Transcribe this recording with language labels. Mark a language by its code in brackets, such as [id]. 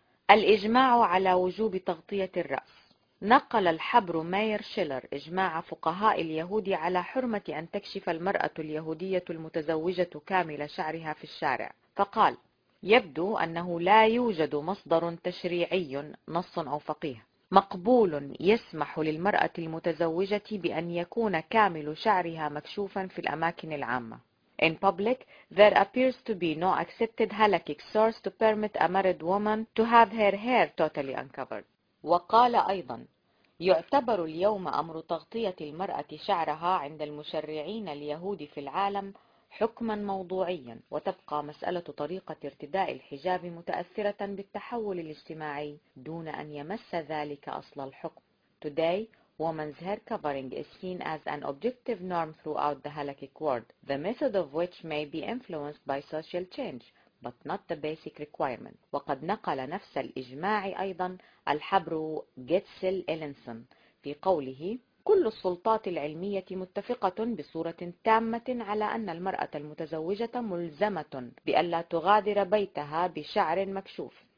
[ar] الإجماع على وجوب تغطية الرأس. نقل الحبر ماير شيلر إجماع فقهاء اليهود على حرمة أن تكشف المرأة اليهودية المتزوجة كامل شعرها في الشارع، فقال: يبدو أنه لا يوجد مصدر تشريعي نص أو فقيه مقبول يسمح للمرأة المتزوجة بأن يكون كامل شعرها مكشوفا في الأماكن العامة، [en] In public, there appears to be no accepted halakhic source to permit a married woman to have her hair totally uncovered. [ar] وقال أيضا يعتبر اليوم أمر تغطية المرأة شعرها عند المشرعين اليهود في العالم حكما موضوعيا وتبقى مسألة طريقة ارتداء الحجاب متأثرة بالتحول الاجتماعي دون أن يمس ذلك أصل الحكم. [en] Today, woman's hair covering is seen as an objective norm throughout the halakhic world, the method of which may be influenced by social change, but not the basic requirement. [ar] وقد نقل نفس الإجماع أيضا الحبر جيتسل إلينسون في قوله كل السلطات العلمية متفقة بصورة تامة على أن المرأة المتزوجة ملزمة بألا تغادر بيتها بشعر مكشوف.